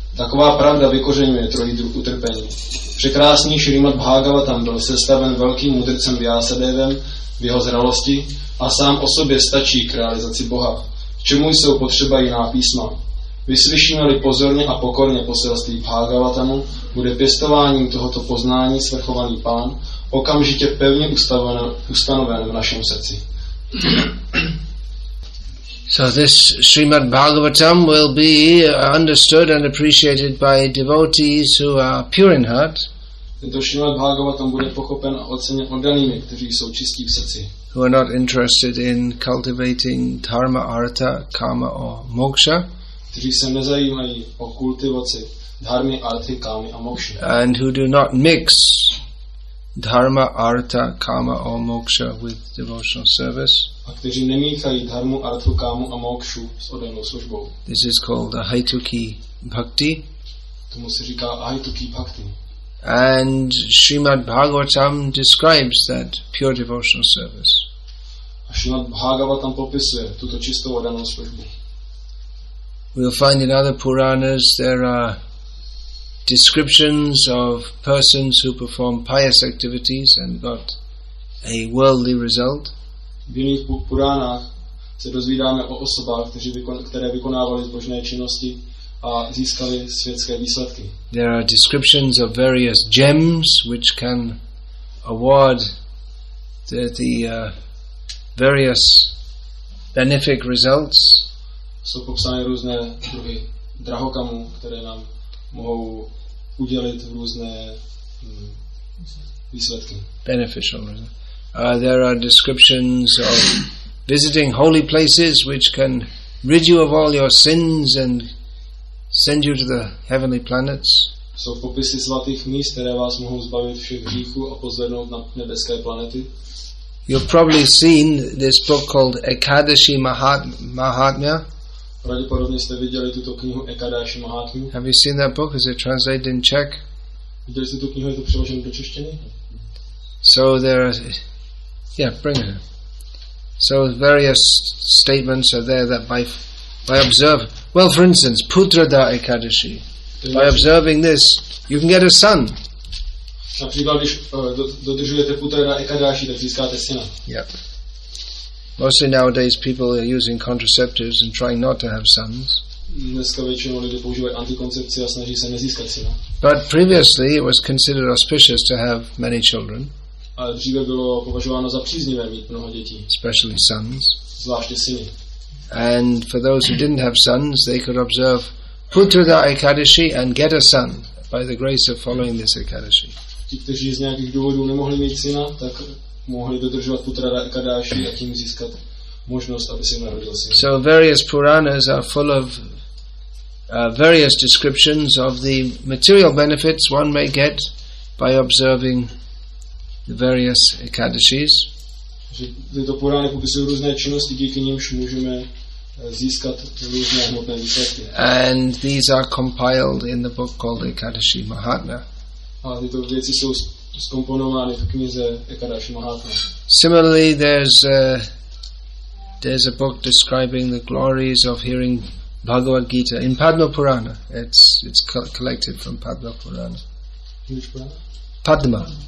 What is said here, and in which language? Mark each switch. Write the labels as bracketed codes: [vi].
[cs] Taková pravda vykořenuje trojí druh utrpení. Překrásný Srimad Bhagavatam byl sestaven velkým mudrcem Vyásadevem v jeho zralosti a sám o sobě stačí k realizaci Boha. K čemu jsou potřeba jiná písma? Vyslyšíme-li pozorně a pokorně poselství Bhagavatamu, bude pěstováním tohoto poznání svrchovaný pán okamžitě pevně ustanoven v našem srdci. [en] So this Srimad Bhagavatam will be understood and appreciated by devotees who are pure in heart. [cs] Tento Srimad Bhagavatam bude pochopen a oceněn oddanými, kteří jsou čistí v srdci. [en] Who are not interested in cultivating dharma, artha, karma or moksha. [cs] Kteří se nezajímají o kultivaci dharmy, arthy, kámy a mokši. [en] And who do not mix dharma, artha, karma or moksha with devotional service. [cs] A kteří nemíchají dharmu, artu, kámu a mokšu s oddanou službou. [en] This is called ahaituki bhakti. [cs] Tomu se říká ahaituki bhakti. [en] And Srimad Bhagavatam describes that pure devotional service. [cs] A Srimad Bhagavatam popisuje tuto čistou oddanou službu. [en] We'll find in other Puranas there are descriptions of persons who perform pious activities and got a worldly result. [cs] V jiných Puránách se dozvídáme o osobách, které vykonávali zbožné činnosti a získali světské výsledky. [en] There are descriptions of various gems which can award the various benefic results. [cs] Jsou popsány různé druhy drahokamů, které nám mohou udělit různé výsledky. [en] Beneficial results. There are descriptions of visiting holy places which can rid you of all your sins and send you to the heavenly planets. [cs] Jsou popisy svatých míst, které vás mohou zbavit všech hříchů a pozvednout na nebeské planety. [en] You've probably seen this book called Ekadashi Mahatmya. [cs] Pravděpodobně jste viděli tuto knihu Ekadashi Mahatmya. [en] Have you seen that book? Is it translated in Czech? [cs] Viděli jste tu knihu, je to přeloženo do češtiny? [en] So there are... Yeah, bring it. So various statements are there that by observe. Well, for instance, Putrada Ekadashi. By observing this, you can get a son. [cs] Například, když dodržujete Putrada Ekadashi, tak získáte syna. [en] Yeah. Mostly nowadays, people are using contraceptives and trying not to have sons. [cs] Dneska většinou lidé používají antikoncepci a snaží se nezískat syna. [en] But previously, it was considered auspicious to have many children. [cs] A dříve bylo považováno za příznivé mít mnoho dětí. [en] Especially sons. [cs] Zvláště syny. [en] And for those who didn't have sons, they could observe Putrada Ekadashi and get a son by the grace of following this Ekadashi. [cs] Ti, kteří z nějakých důvodů nemohli mít syna, tak mohli dodržovat Putrada Ekadashi a tím získat možnost, aby si narodil syn. [en] So various Puranas are full of various descriptions of the material benefits one may get by observing the various Ekadashis. [cs] Tyto Purány popisují různé činnosti, díky nímž můžeme získat různé hmotné výsledky. [en] And these are compiled in the book called Ekadashi Mahatmya. [cs] A tyto věci jsou skomponovány v knize Ekadashi Mahatmya. [en] Similarly, there's There's a book describing the glories of hearing Bhagavad Gita in Padma Purana. It's collected from Padma Purana. Padma.